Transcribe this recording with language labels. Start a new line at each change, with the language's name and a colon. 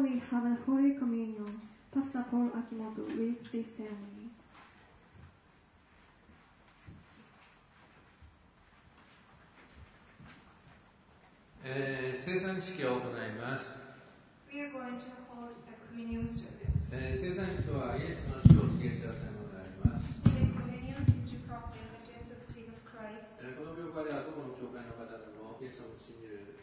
English: Have a holy communion, Pastor Paul Akimoto, with this ceremony. We are going to hold a communion service.
Japanese: 聖餐式はイエスの死を告げ知らせるものであります。
English: The communion is to proclaim the death of Jesus Christ.
Japanese: この教会ではどこの教会の方でもイエスを信じる。